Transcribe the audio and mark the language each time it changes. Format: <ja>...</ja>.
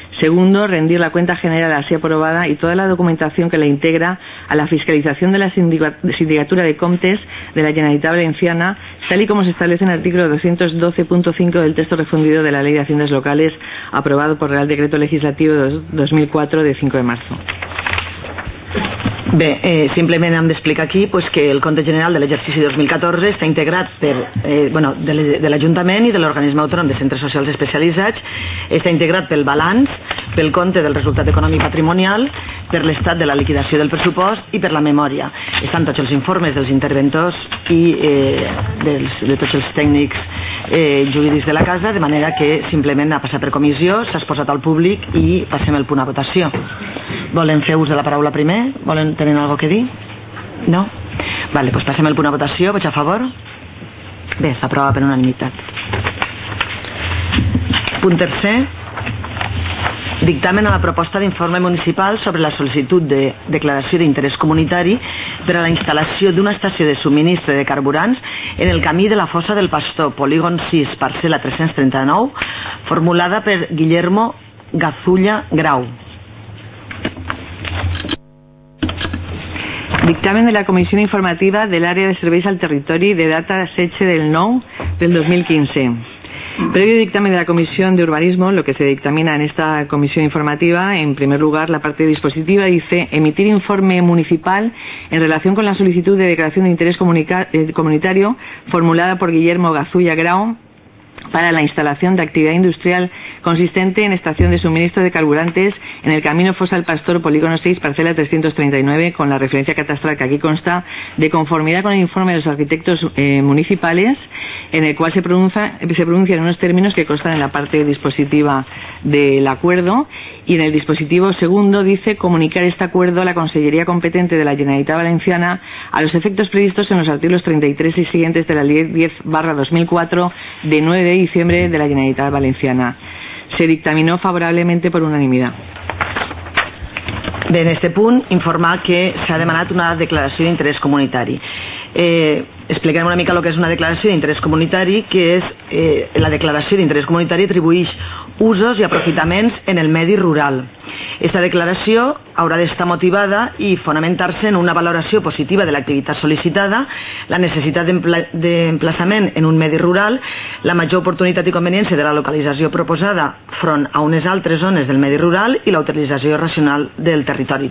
<es>Segundo, rendir la cuenta general así aprobada y toda la documentación que la integra a la fiscalización de la Sindicatura de Comptes de la Generalitat Valenciana, tal y como se establece en el artículo 212.5 del texto refundido de la Ley de Haciendas Locales aprobado por Real Decreto Legislativo 2004 de 5 de marzo.</es> <ca>Bé, simplement hem d'explicar aquí pues, que el compte general de l'exercici 2014 està integrat per, bueno, de l'Ajuntament i de l'Organisme Autònom de Centres Socials Especialitzats, està integrat pel balanç, pel compte del resultat econòmic patrimonial, per l'estat de la liquidació del pressupost i per la memòria. Estan tots els informes dels interventors i de tots els tècnics jurídics de la casa, de manera que simplement ha passat per comissió, s'ha exposat al públic i passem el punt a votació. Volen fer ús de la paraula primer? Volen tenir alguna cosa que dir? No? Vale, doncs passem el punt a votació. Vots a favor? Bé, s'aprova per unanimitat. Punt tercer. Dictamen a la proposta d'informe municipal sobre la sol·licitud de declaració d'interès comunitari per a la instal·lació d'una estació de subministre de carburants en el camí de la fossa del Pastor, polígon 6, parcel·la 339, formulada per Guillermo Gazulla Grau.</ca> <es>Dictamen de la Comisión Informativa del Área de Servicios al Territorio de data 7 del 9 del 2015. Previo dictamen de la Comisión de Urbanismo, lo que se dictamina en esta comisión informativa, en primer lugar, la parte dispositiva dice emitir informe municipal en relación con la solicitud de declaración de interés comunitario formulada por Guillermo Gazulla Grau para la instalación de actividad industrial consistente en estación de suministro de carburantes en el camino Fosa del Pastor, polígono 6, parcela 339, con la referencia catastral que aquí consta, de conformidad con el informe de los arquitectos municipales, en el cual se pronuncia en unos términos que constan en la parte dispositiva del acuerdo. Y en el dispositivo segundo dice comunicar este acuerdo a la Consellería Competente de la Generalitat Valenciana a los efectos previstos en los artículos 33 y siguientes de la Ley 10/2004 de 9 de diciembre de la Generalitat Valenciana. Se dictaminó favorablemente por unanimidad.</es> <ca>Bé, en este punt informar que s'ha demanat una declaració d'interès comunitari. Explicarem una mica el que és una declaració d'interès comunitari, que és la declaració d'interès comunitari atribuïix usos i aprofitaments en el medi rural. Aquesta declaració haurà d'estar motivada i fonamentar-se en una valoració positiva de l'activitat sol·licitada, la necessitat d'emplaçament en un medi rural, la major oportunitat i conveniència de la localització proposada front a unes altres zones del medi rural i la utilització racional del territori.</ca>